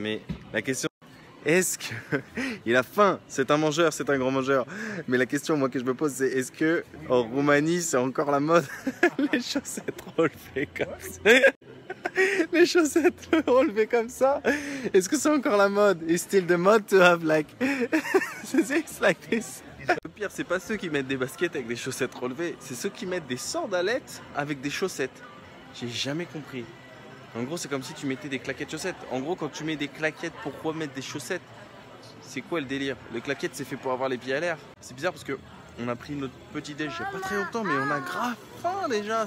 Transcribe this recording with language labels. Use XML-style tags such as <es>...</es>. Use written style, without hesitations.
<fr>Mais la question, est-ce qu'il a faim? C'est un mangeur, c'est un grand mangeur. Mais la question moi que je me pose c'est, est-ce que en Roumanie c'est encore la mode les chaussettes relevées comme ça? Les chaussettes relevées comme ça, est-ce que c'est encore la mode?</fr> <en>Is still the mode to have like this, like this?</en> <fr>Le pire, c'est pas ceux qui mettent des baskets avec des chaussettes relevées, c'est ceux qui mettent des sandalettes avec des chaussettes. J'ai jamais compris. En gros, c'est comme si tu mettais des claquettes chaussettes. En gros, quand tu mets des claquettes, pourquoi mettre des chaussettes? C'est quoi le délire? Les claquettes, c'est fait pour avoir les pieds à l'air. C'est bizarre parce que on a pris notre petit déj il n'y a pas très longtemps, mais on a grave faim déjà.</fr>